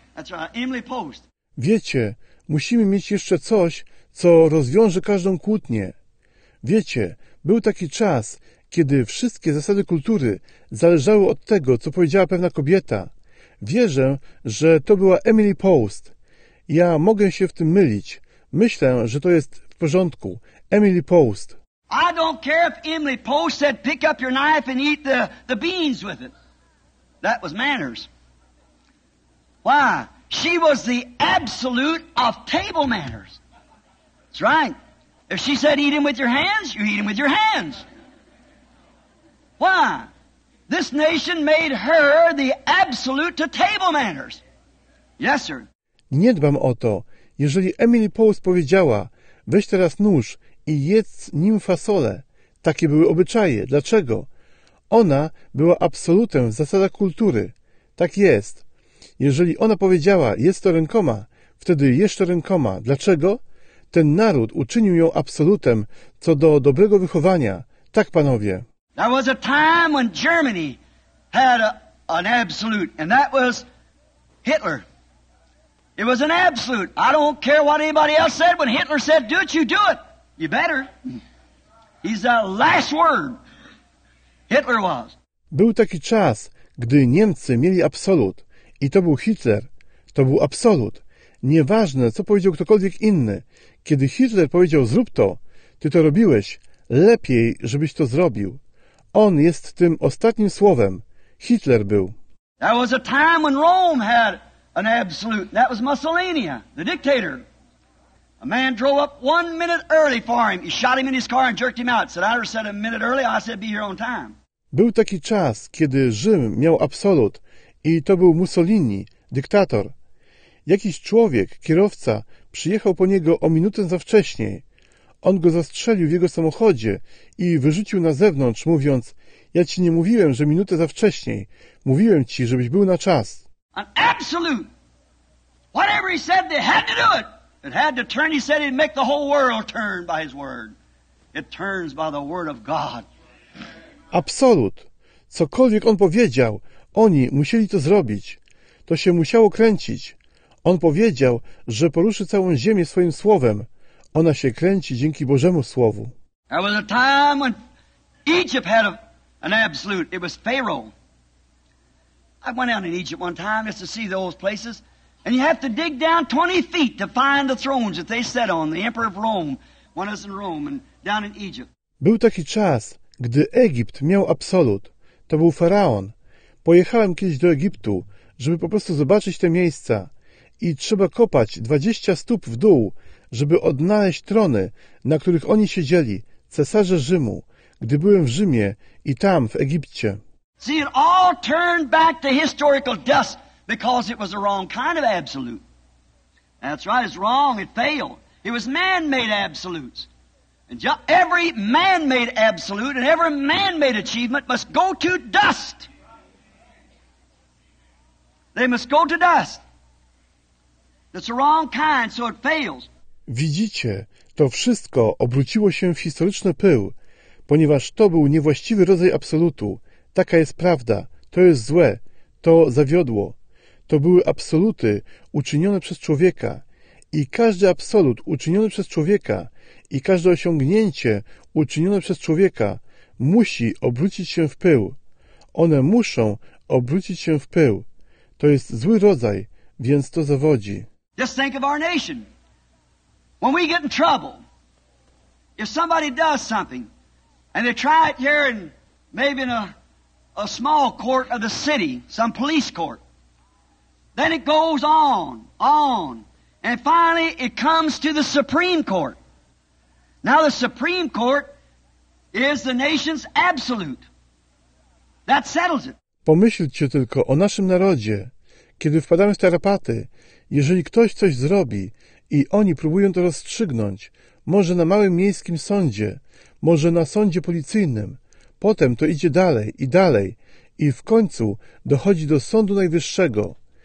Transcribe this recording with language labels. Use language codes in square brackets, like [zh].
[en] That's right, Emily Post. [pl] Wiecie, musimy mieć jeszcze coś, co rozwiąże każdą kłótnię. Wiecie, był taki czas, kiedy wszystkie zasady kultury zależały od tego, co powiedziała pewna kobieta. Wierzę, że to była Emily Post. Ja mogę się w tym mylić. Myślę, że to jest w porządku. Emily Post. [en] I don't care if Emily Post said pick up your knife and eat the beans with it. That was manners. Why? She was the absolute of table manners. That's right. If she said eat them with your hands, you eat them with your hands. Why? This nation made her the absolute to table manners. Yes, sir. [pl] Nie dbam o to, jeżeli Emily Post powiedziała, weź teraz nóż i jedz nim fasolę. Takie były obyczaje. Dlaczego? Ona była absolutem w zasadach kultury. Tak jest. Jeżeli ona powiedziała, jest to rękoma, wtedy jeszcze rękoma. Dlaczego? Ten naród uczynił ją absolutem co do dobrego wychowania. Tak, panowie. [en] There was a time when Germany had an absolute, and that was Hitler. It was an absolute. I don't care what anybody else said. When Hitler said, do it, you do it. You better. He's the last word. Hitler was. [pl] Był taki czas, gdy Niemcy mieli absolut, i to był Hitler. To był absolut. Nieważne, co powiedział ktokolwiek inny. Kiedy Hitler powiedział, zrób to, ty to robiłeś. Lepiej, żebyś to zrobił. On jest tym ostatnim słowem. Hitler był. [en] There was a time when Rome had an absolute. That was Mussolini, the dictator. A man drove up 1 minute early for him. He shot him in his car and jerked him out. Said, I said a minute early, I said be here on time. [pl] Był taki czas, kiedy Rzym miał absolut, i to był Mussolini, dyktator. Jakiś człowiek, kierowca, przyjechał po niego o minutę za wcześnie. On go zastrzelił w jego samochodzie i wyrzucił na zewnątrz, mówiąc, ja ci nie mówiłem, że minutę za wcześniej. Mówiłem ci, żebyś był na czas. [en] An absolute. Whatever he said, they had to do it. It had to turn, he said, he'd make the whole world turn by his word. It turns by the word of God. [pl] Absolut. Cokolwiek on powiedział, oni musieli to zrobić. To się musiało kręcić. On powiedział, że poruszy całą ziemię swoim słowem. Ona się kręci dzięki Bożemu Słowu. [en] There was a time when Egypt had an absolute. It was Pharaoh. I went down in Egypt one time just to see those places. And you have to dig down 20 feet to find the thrones that they sat on, the emperor of Rome, when I was in Rome and down in Egypt. [pl] Był taki czas, gdy Egipt miał absolut. To był faraon. Pojechałem kiedyś do Egiptu, żeby po prostu zobaczyć te miejsca. I trzeba kopać 20 stóp w dół, żeby odnaleźć trony, na których oni siedzieli, cesarze Rzymu, gdy byłem w Rzymie i tam w Egipcie. [en] See, it all turned back to historical dust because it was the wrong kind of absolute. That's right, it's wrong, it failed. It was man-made absolutes. And every man-made absolute and every man-made achievement must go to dust. They must go to dust. That's the wrong kind, so it fails. [pl] Widzicie, to wszystko obróciło się w historyczny pył, ponieważ to był niewłaściwy rodzaj absolutu. Taka jest prawda. To jest złe. To zawiodło. To były absoluty uczynione przez człowieka. I każdy absolut uczyniony przez człowieka i każde osiągnięcie uczynione przez człowieka musi obrócić się w pył. One muszą obrócić się w pył. To jest zły rodzaj, więc to zawodzi. [en] Just think of our nation. When we get in trouble, if somebody does something and they try it here and maybe in a small court of the city, some police court, then it goes on, and finally it comes to the Supreme Court. Now the Supreme Court is the nation's absolute. That settles it. [pl] Pomyślcie tylko o naszym narodzie. Kiedy wpadamy w tarapaty, jeżeli ktoś coś zrobi i oni próbują to rozstrzygnąć, może na małym miejskim sądzie, może na sądzie policyjnym, potem to idzie dalej i dalej i w końcu dochodzi do Sądu Najwyższego.